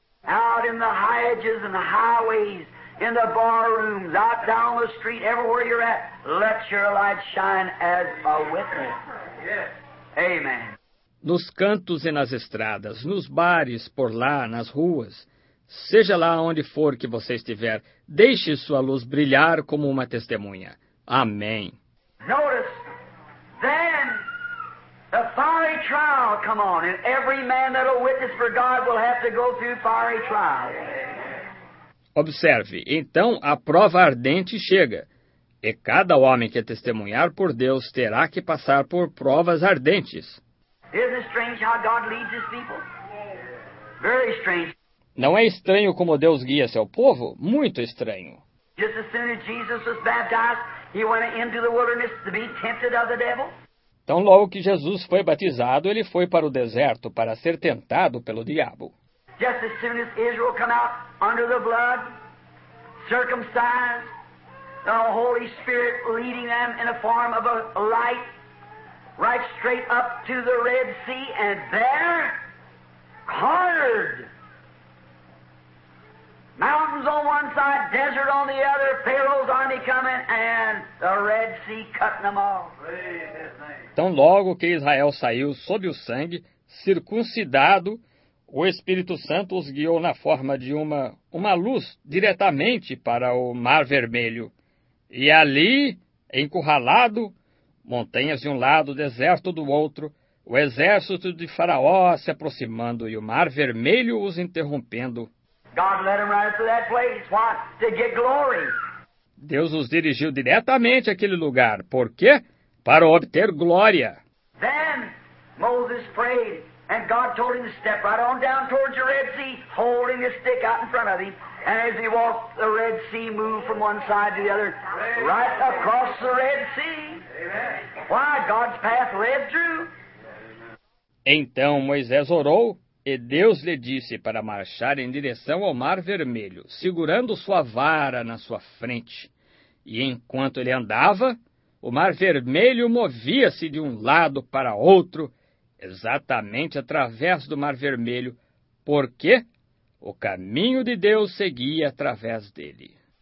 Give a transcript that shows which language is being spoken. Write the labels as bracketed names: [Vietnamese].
[English] Out in the hedges and the highways, in the bar rooms, out down the street, everywhere you're at, let your light shine as a witness. Amen. [Portuguese] Nos cantos e nas estradas, nos bares, por lá, nas ruas, seja lá onde for que você estiver, deixe sua luz brilhar como uma testemunha. Amém. [English] Notice, then the fiery trial come on, and every man that'll witness for God will have to go through fiery trial. [Portuguese] Observe, então a prova ardente chega, e cada homem que testemunhar por Deus terá que passar por provas ardentes. [English] Isn't it strange how God leads his people? Very strange. [Portuguese] Não é estranho como Deus guia seu povo? Muito estranho. [English] Just as soon as Jesus was baptized, he went into the wilderness to be tempted of the devil. [Portuguese] Tão logo que Jesus foi batizado, ele foi para o deserto para ser tentado pelo diabo. [English] Just as soon as Israel came out under the blood, circumcised, the Holy Spirit leading them in the form of a light, right straight up to the Red Sea, and there, hard. Mountains on one side, desert on the other, Pharaoh's army coming, and the Red Sea cutting them off. [Portuguese] Tão logo que Israel saiu sob o sangue, circuncidado, o Espírito Santo os guiou na forma de uma luz diretamente para o Mar Vermelho. E ali, encurralado, montanhas de um lado, deserto do outro, o exército de Faraó se aproximando e o Mar Vermelho os interrompendo. [English] God led them right to that place. Why? To get glory. [Portuguese] Deus os dirigiu diretamente àquele lugar. Por quê? Para obter glória. [English] Then Moses prayed. And God told him to step right on down towards the Red Sea, holding a stick out in front of him. And as he walked, the Red Sea moved from one side to the other, right across the Red Sea. Why? God's path led through. [Portuguese] Então Moisés orou, e Deus lhe disse para marchar em direção ao Mar Vermelho, segurando sua vara na sua frente. E enquanto ele andava, o Mar Vermelho movia-se de um lado para outro, exatamente através do Mar Vermelho, porque o caminho de Deus seguia através dele.